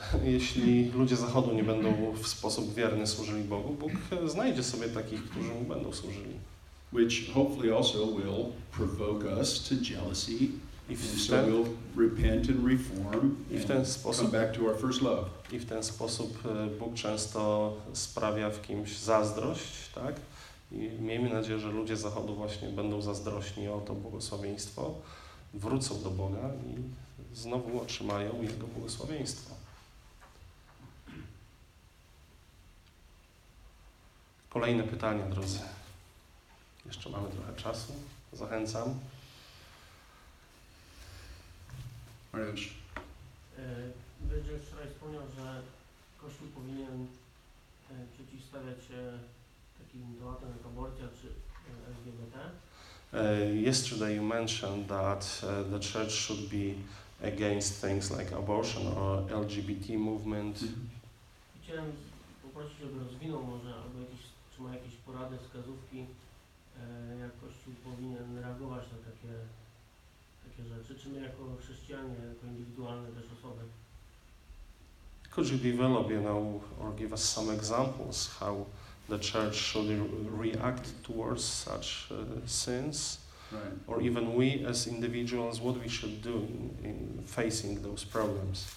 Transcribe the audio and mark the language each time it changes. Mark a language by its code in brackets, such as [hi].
[pl] Jeśli ludzie zachodu nie będą w sposób wierny służyli Bogu, Bóg znajdzie sobie takich, którzy mu będą służyli. [en] Which hopefully also will provoke us to jealousy. And so we'll repent and reform come back to our first love. [pl] I w ten sposób Bóg często sprawia w kimś zazdrość, tak? I miejmy nadzieję, że ludzie zachodu właśnie będą zazdrośni o to błogosławieństwo, wrócą do Boga i znowu otrzymają Jego błogosławieństwo. Kolejne pytanie, drodzy. Jeszcze mamy trochę czasu. Zachęcam. Mariusz. Będzie wczoraj wspomniał, że Kościół powinien przeciwstawiać się takim tematom jak aborcja czy LGBT. [en] Yesterday you mentioned that the church should be against things like abortion or LGBT movement. Mm-hmm. [pl] Chciałem poprosić, żeby rozwinął może, albo czy ma jakieś porady, wskazówki, jak Kościół powinien reagować na takie takie rzeczy, czy my jako chrześcijanie, jako indywidualne też osoby. [en] Could you develop, you know, or give us some examples how the church should react towards such sins? Right. Or even we as individuals, what we should do in facing those problems.